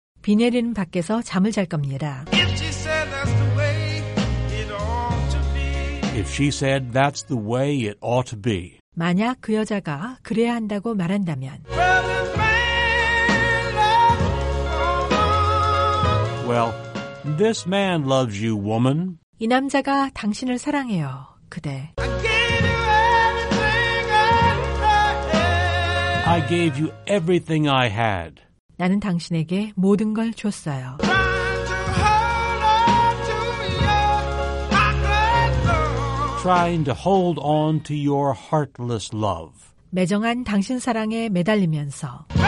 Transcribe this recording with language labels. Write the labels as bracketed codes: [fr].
[ko] 비 내리는 밖에서 잠을 잘 겁니다. [en] If she said that's the way it ought to be. If she said that's the way it ought to be. [ko] 만약 그 여자가 그래야 한다고 말한다면. [en] Well, this man loves you, woman. Well, this man loves you, woman. [ko] 이 남자가 당신을 사랑해요, 그대. [en] I gave you everything I had. I gave you everything I had. [ko] 나는 당신에게 모든 걸 줬어요. [en] Trying to hold on to your heartless love. Trying to hold on to your heartless love. [ko] 매정한 당신 사랑에 매달리면서.